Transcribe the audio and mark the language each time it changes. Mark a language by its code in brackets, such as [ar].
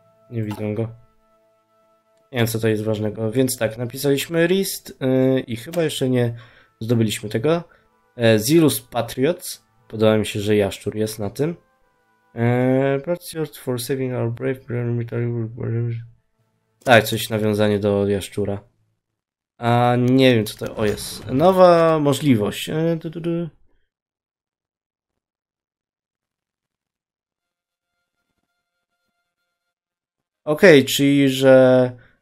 [pl] Nie widzę go. Nie wiem, co to jest ważnego. Więc tak, napisaliśmy list i chyba jeszcze nie zdobyliśmy tego. Zirus Patriots. Podoba mi się, że jaszczur jest na tym. [en] Patriots for saving our brave military. [pl] Tak, coś nawiązanie do jaszczura. A nie wiem, co to. O, jest. Nowa możliwość. Okej, czyli że.